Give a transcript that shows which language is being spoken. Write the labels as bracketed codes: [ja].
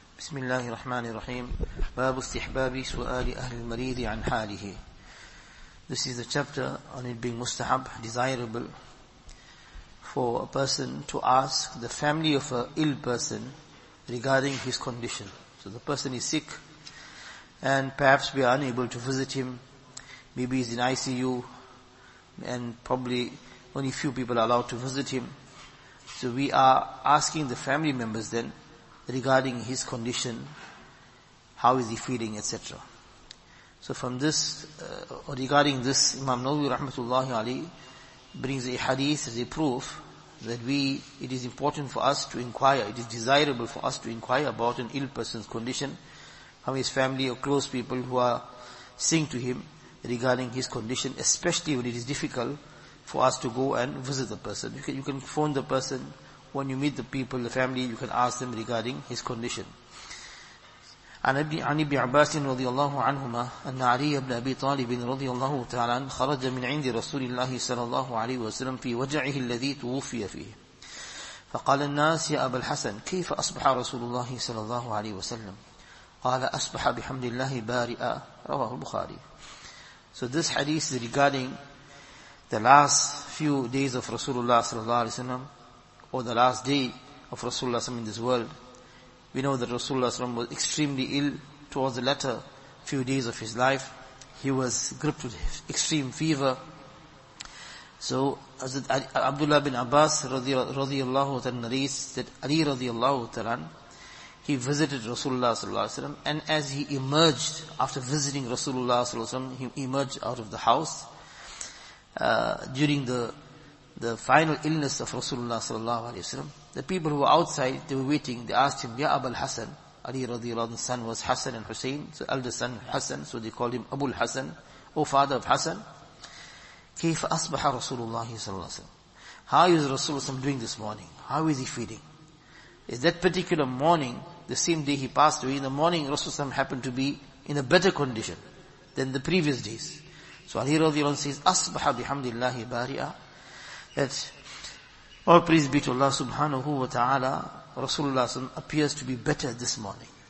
[ar] بسم الله الرحمن الرحيم باب استحباب سؤال أهل المريض عن حاله. [en] This is a chapter on it being mustahab, desirable for a person to ask the family of an ill person regarding his condition. So the person is sick and perhaps we are unable to visit him. Maybe he's in ICU and probably only few people are allowed to visit him. So we are asking the family members then regarding his condition, how is he feeling, etc. So from this, regarding this, Imam Nawawi rahmatullahi alayhi brings a hadith as a proof that it is important for us to inquire, it is desirable for us to inquire about an ill person's condition, how his family or close people who are seeing to him regarding his condition, especially when it is difficult for us to go and visit the person. You can phone the person. When you meet the people, the family, you can ask them regarding his condition. [ar] عن ابن عباس رضي الله عنهما أن علي بن أبي طالب رضي الله تعالى خرج من عند رسول الله صلى الله عليه وسلم في وجعه الذي توفي فيه. فقال الناس يا أبا الحسن كيف أصبح رسول الله صلى الله عليه وسلم؟ قال أصبح بحمد الله بارئا رواه البخاري. [en] So this hadith is regarding the last few days of Rasulullah [ar] صلى الله عليه وسلم. [en] Or the last day of Rasulullah in this world. We know that Rasulullah was extremely ill towards the latter few days of his life. He was gripped with extreme fever. So Hazrat Abdullah bin Abbas radiallahu ta'ala narrates that Ali radiallahu ta'ala, he visited Rasulullah, and as he emerged after visiting Rasulullah, he emerged out of the house during the final illness of Rasulullah sallallahu alayhi wa sallam. The people who were outside, they were waiting, they asked him, Ya Abul Hassan. Ali radiallahu anhu's son was Hassan and Hussein, so elder son Hassan, so they called him Abul Hassan, O father of Hassan. [ar] كيف أصبح رسول الله صلى الله عليه وسلم? [en] How is Rasulullah doing this morning? How is he feeling? Is that particular morning, the same day he passed away, in the morning Rasulullah happened to be in a better condition than the previous days. So Ali radiallahu anhu says, [ar] أصبح بحمد الله بارئا. [en] That all praise be to Allah subhanahu wa ta'ala, Rasulullah appears to be better this morning.